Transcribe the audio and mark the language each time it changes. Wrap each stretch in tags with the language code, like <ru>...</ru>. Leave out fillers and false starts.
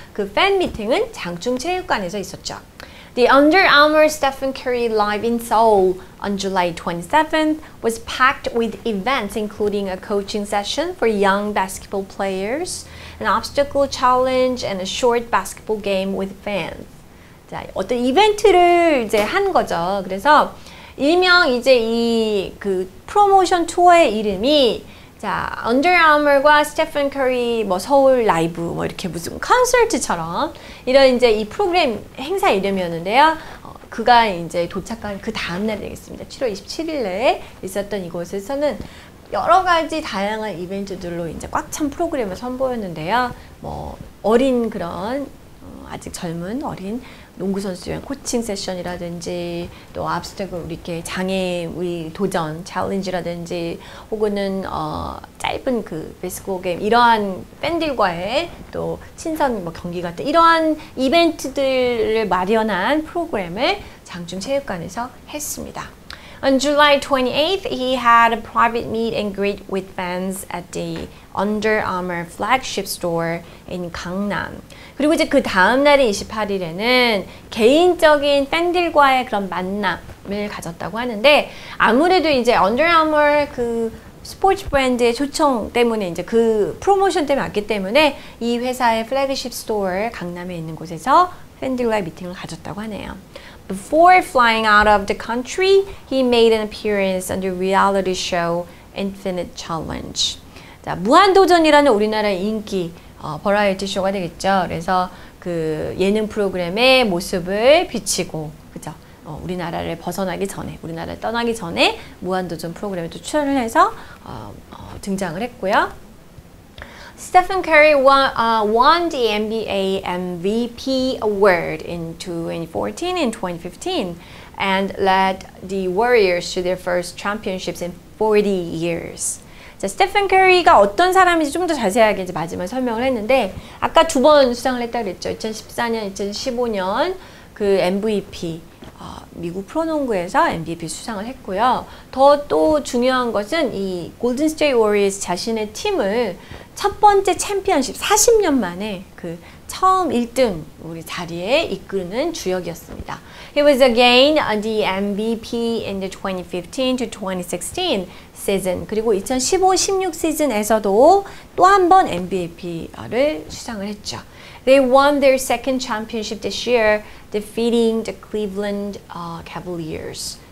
<ko>그 팬 미팅은 장충 체육관에서 있었죠.</ko> <en>The Under Armour Stephen Curry Live in Seoul on July 27th was packed with events including a coaching session for young basketball players, an obstacle challenge, and a short basketball game with fans.</en> <ko>자, 어떤 이벤트를 이제 한 거죠. 그래서 일명 이제 이 그 프로모션 투어의 이름이 자, 언더아머과 스테판 커리 뭐 서울 라이브 뭐 이렇게 무슨 콘서트처럼 이런 이제 이 프로그램 행사 이름이었는데요. 그가 이제 도착한 그 다음 날이 되겠습니다. 7월 27일 날에 있었던 이곳에서는 여러 가지 다양한 이벤트들로 이제 꽉 찬 프로그램을 선보였는데요. 뭐 어린 그런 아직 젊은 어린 농구 선수의 코칭 세션이라든지 또 압스테그 이렇게 장애 우리 도전 챌린지라든지 혹은 짧은 그 베이스볼 게임 이러한 팬들과의 또 친선 뭐 경기 같은 이러한 이벤트들을 마련한 프로그램을 장충 체육관에서 했습니다.</ko> <en>On July 28th, he had a private meet and greet with fans at the Under Armour flagship store in Gangnam.</en> <ko>그리고 이제 그 다음 날인 28일에는 개인적인 팬들과의 그런 만남을 가졌다고 하는데 아무래도 이제 Under Armour 그 스포츠 브랜드의 초청 때문에 이제 그 프로모션 때문에 왔기 때문에 이 회사의 flagship store 강남에 있는 곳에서 팬들과의 미팅을 가졌다고 하네요.</ko> <en>Before flying out of the country, he made an appearance on the reality show Infinite Challenge.</en> <ko>자, 무한도전이라는 우리나라의 인기 버라이어티 쇼가 되겠죠. 그래서 그 예능 프로그램의 모습을 비치고 그죠? 우리나라를 벗어나기 전에 우리나라를 떠나기 전에 무한도전 프로그램에 또 출연을 해서 등장을 했고요.</ko> <en>Stephen Curry won the NBA MVP award in 2014 and 2015 and led the Warriors to their first championships in 40 years.</en> <ko>자, 스테픈 커리가 어떤 사람인지 좀 더 자세하게 이제 마지막에 설명을 했는데 아까 두 번 수상을 했다고 그랬죠. 2014년, 2015년 그 MVP 미국 프로농구에서 MVP 수상을 했고요. 더 또 중요한 것은 이 골든 스테이트 워리어스 자신의 팀을 첫 번째 챔피언십 40년 만에 그 처음 1등 우리 자리에 이끄는 주역이었습니다.</ko> <en>He was again the MVP in the 2015 to 2016 season.</en> <ko>그리고 2015-16 시즌에서도 또 한 번 MVP를 수상을 했죠.</ko> <en>They won their second championship this year, defeating the Cleveland Cavaliers.</en>